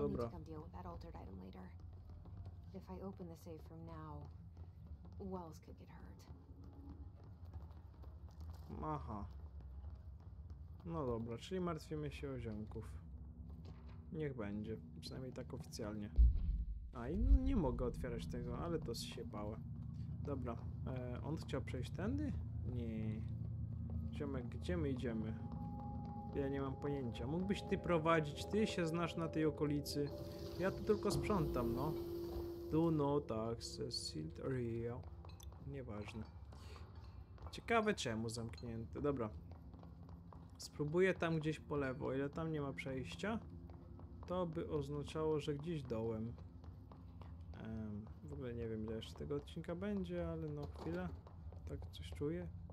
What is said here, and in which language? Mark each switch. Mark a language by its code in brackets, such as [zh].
[en] I'll need to come deal with that altered item later. If I open the safe from now, Wells could get hurt. Aha. [pl] No dobra, czyli martwimy się o ziomków. Niech będzie, przynajmniej tak oficjalnie. A i no, nie mogę otwierać tego, ale to zsiepało. Dobra, on chciał przejść tędy? Nie. Ziomek, gdzie my idziemy? Ja nie mam pojęcia. Mógłbyś ty prowadzić, ty się znasz na tej okolicy. Ja tu tylko sprzątam, no. [en] Do not access sealed area. [pl] Nieważne. Ciekawe czemu zamknięte. Dobra. Spróbuję tam gdzieś po lewo. Ile tam nie ma przejścia, to by oznaczało, że gdzieś dołem. W ogóle nie wiem, ile jeszcze tego odcinka będzie, ale no chwilę. Tak coś czuję.